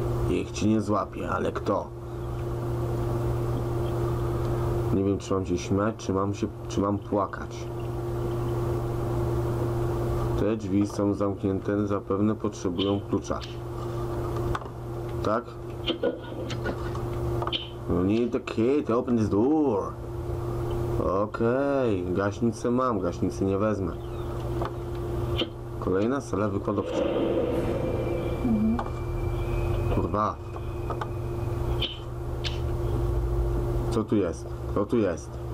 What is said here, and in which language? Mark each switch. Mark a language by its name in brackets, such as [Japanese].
[Polish] Niech ci nie złapie, ale kto? Nie wiem, czy mam się śmiać, czy mam płakać. Te drzwi są zamknięte, zapewne potrzebują klucza. Tak? [English] We need the key to open this door. [Polish] Okej, gaśnicę mam, gaśnicy nie wezmę. Kolejna sala wykładowcza. Kurwa. Co tu jest?